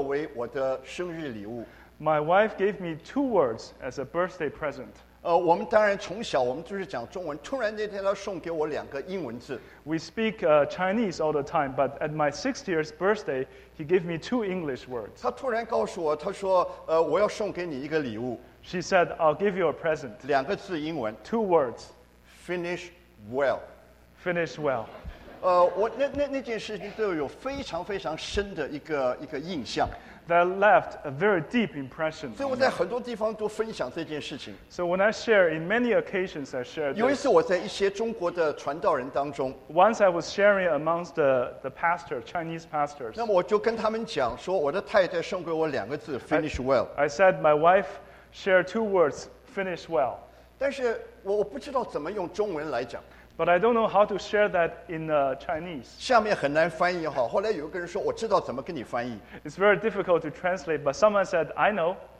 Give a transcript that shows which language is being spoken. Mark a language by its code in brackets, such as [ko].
[zh] 我太太突然送给我两个英文字作为我的生日礼物。 [en] My wife gave me two words as a birthday present. [zh] 我们当然从小我们就是讲中文, 突然那天她送给我两个英文字。 [en] We speak Chinese all the time, but at my 60th birthday, he gave me two English words. [zh] 她突然告诉我, 她说, 我要送给你一个礼物。 [en] She said, I'll give you a present. [zh] 两个字英文, [en] two words. Finish well. Finish well. [zh] 我那件事情对我有非常非常深的一个印象。 [en] That left a very deep impression. [zh] 所以我在很多地方都分享这件事情。 [en] So when I share, in many occasions I share. [zh] 有一次我在一些中国的传道人当中。 [en] Once I was sharing amongst the pastor, Chinese pastors. [zh] 那么我就跟他们讲说，我的太太送给我两个字 ， [en] finish well. I said my wife shared two words, finish well. [zh] 但是 我不知道怎么用中文来讲, [en] but I don't know how to share that in Chinese. [zh] 下面很难翻译哈, 后来有一个人说, 我知道怎么跟你翻译。 [en] It's very difficult to translate, but someone said, I know.